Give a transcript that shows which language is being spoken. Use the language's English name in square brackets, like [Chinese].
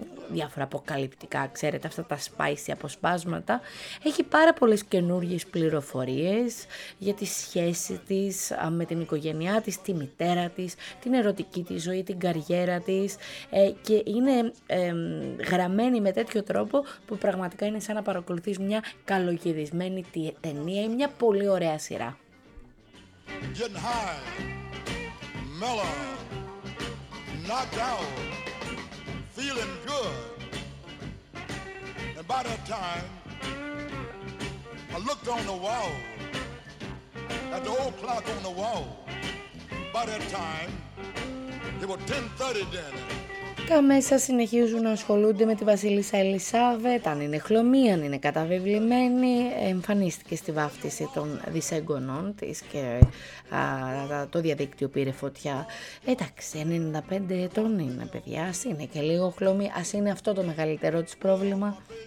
[Greek] διάφορα αποκαλυπτικά, ξέρετε, αυτά τα spicy αποσπάσματα, έχει πάρα πολλές καινούργιες πληροφορίες για τη σχέση της με την οικογένειά της, τη μητέρα της, την ερωτική της ζωή, την καριέρα της, και είναι γραμμένη με τέτοιο τρόπο που πραγματικά είναι σαν να παρακολουθείς μια καλογυρισμένη ταινία ή μια πολύ ωραία σειρά. [English] Getting high, mellow, knocked out, feeling good. And by that time, I looked on the wall, at the old clock on the wall. By that time, it was 10:30 then. [Greek] Τα μέσα συνεχίζουν να ασχολούνται με τη Βασίλισσα Ελισάβετ, αν είναι χλωμή, αν είναι καταβεβλημένη. Εμφανίστηκε στη βάφτιση των δυσέγγονών της και το διαδίκτυο πήρε φωτιά. Εντάξει, 95 ετών είναι παιδιά, ας είναι και λίγο χλωμή, ας είναι αυτό το μεγαλύτερό της πρόβλημα.